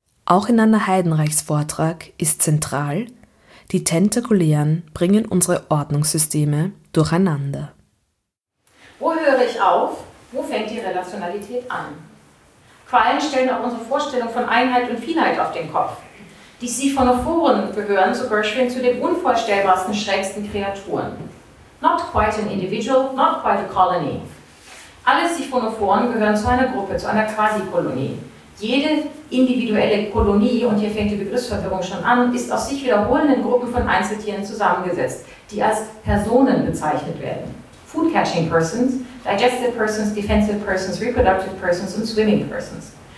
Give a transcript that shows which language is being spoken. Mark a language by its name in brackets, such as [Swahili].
[German] Auch in Anna Heidenreichs Vortrag ist zentral, die Tentakulären bringen unsere Ordnungssysteme durcheinander. Wo höre ich auf? Wo fängt die Relationalität an? Quallen stellen auch unsere Vorstellung von Einheit und Vielheit auf den Kopf. Die Siphonophoren gehören, so Gershwin, zu den unvorstellbarsten, schrägsten Kreaturen. [English] Not quite an individual, not quite a colony. [German] Alle Siphonophoren gehören zu einer Gruppe, zu einer Quasi-Kolonie. Jede individuelle Kolonie, und hier fängt die Begriffsverwirrung schon an, ist aus sich wiederholenden Gruppen von Einzeltieren zusammengesetzt, die als Personen bezeichnet werden. [English] Food-catching persons, digestive persons, defensive persons, reproductive persons [German] und [English] swimming persons.